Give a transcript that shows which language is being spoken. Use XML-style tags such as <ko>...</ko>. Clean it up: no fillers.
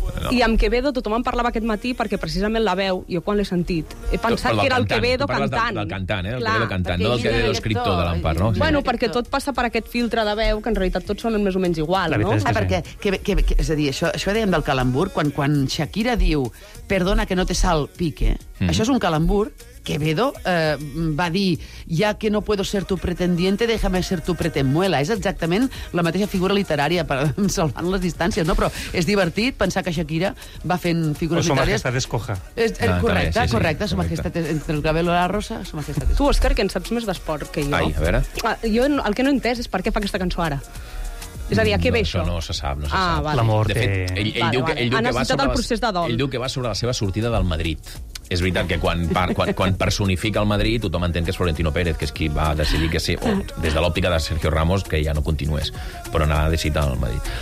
<ca>I amb Quevedo tothom en parlava aquest matí perquè precisament la veu, jo quan l'he sentit, he pensat que era el Quevedo cantant. Del cantant, eh? Clar, el Quevedo cantant, no del Quevedo escriptor de l'Empar, no? Bueno, perquè tot passa per aquest filtre de veu que en realitat tots sonen més o menys igual, no? Ah, perquè, és a dir, això ho dèiem del calembur, quan Shakira diu</ca> <es>perdona que no te sal pique,</es> <ca>això és un calembur. Quevedo va dir ja</ca> <es>que no puedo ser tu pretendiente déjame ser tu pretemuela.</es> <ca>És exactament la mateixa figura literària per salvant les distàncies, no? Però és divertit pensar que Shakira va fent figures literàries.</ca> <es>O su majestad escoja.</es> <ca>Correcte,</ca> <es>su majestad entre el cabello la rosa, su majestad escoja.</es> <ca>Tu, Òscar, que en saps més d'esport que jo. Ai, a veure. Jo el que no he entès és per què fa aquesta cançó ara. És a dir, a què ve això? No se sap, sap. Vale. L'amor té... Ell diu que va sobre la seva sortida del Madrid. És veritat que quan personifica el Madrid tothom entén que és Florentino Pérez, que és qui va decidir que sí, o des de l'òptica de Sergio Ramos, que ja no continués, però anava a decidir el Madrid.</ca>